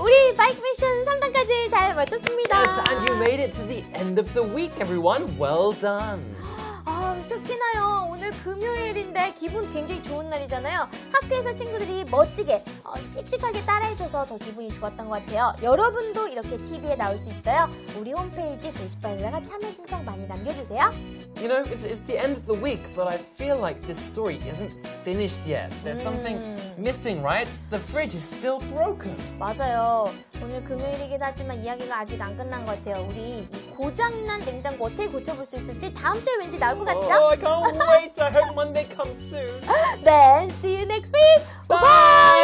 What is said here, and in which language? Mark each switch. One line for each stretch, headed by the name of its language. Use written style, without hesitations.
Korean: 우리 바이크 미션 3단까지 잘 마쳤습니다.
English: Yes, and you made it to the end of the week, everyone. Well done.
Korean: 특히나요, 오늘 금요일인데 기분 굉장히 좋은 날이잖아요. 학교에서 친구들이 멋지게, 씩씩하게 따라해줘서 더 기분이 좋았던 것 같아요. 여러분도 이렇게 TV에 나올 수 있어요. 우리 홈페이지 게시판에다가 참여 신청 많이 남겨주세요.
English: You know, it's the end of the week, but I feel like this story isn't finished yet. There's something missing, right? The fridge is still broken.
Korean: 맞아요. 오늘 금요일이긴 하지만 이야기가 아직 안 끝난 것 같아요. 우리 고장난 냉장고 어떻게 고쳐볼 수 있을지 다음 주에 왠지 나올 것 같죠?
English: Oh, I can't wait. I hope Monday comes soon. Then see you next week. Bye! Bye-bye.